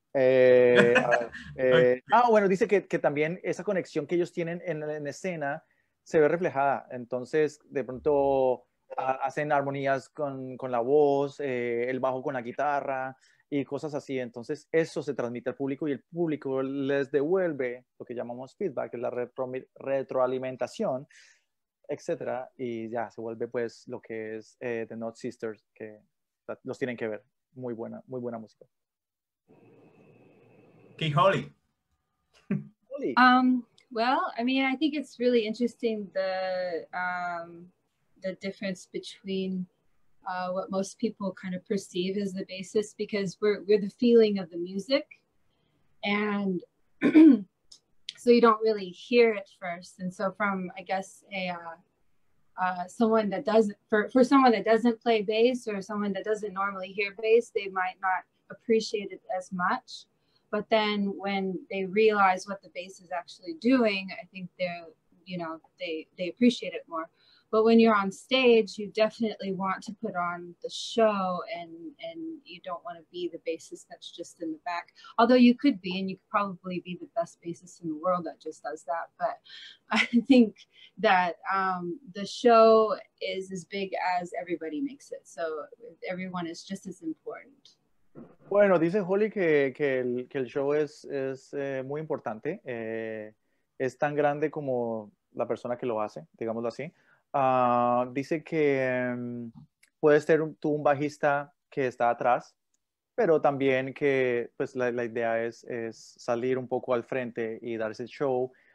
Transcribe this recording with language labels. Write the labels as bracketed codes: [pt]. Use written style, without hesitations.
[es] Bueno, dice que también esa conexión que ellos tienen en escena se ve reflejada, entonces de pronto hacen armonías con la voz, el bajo con la guitarra y cosas así, entonces eso se transmite al público y el público les devuelve lo que llamamos feedback, la retroalimentación, etcétera, y ya se vuelve pues lo que es The Not Sisters, que los tienen que ver, muy buena música. [en] Okay, Holly. Holly. Well, I mean, I think it's really interesting the difference between what most people kind of perceive as the basis, because we're the feeling of the music, and so you don't really hear it first. And so, from I guess a someone that doesn't for someone that doesn't play bass or someone that doesn't normally hear bass, they might not appreciate it as much. But then when they realize what the bass is actually doing, I think they're, you know, they appreciate it more. But when you're on stage, you definitely want to put on the show, and you don't want to be the bassist that's just in the back. Although you could be, and you could probably be the best bassist in the world that just does that. But I think that the show is as big as everybody makes it. So everyone is just as important. [es] Bueno, dice Holly que el show es muy importante, es tan grande como la persona que lo hace, digámoslo así. Dice que puedes tener tú un bajista que está atrás, pero también que pues la idea es salir un poco al frente y dar ese show.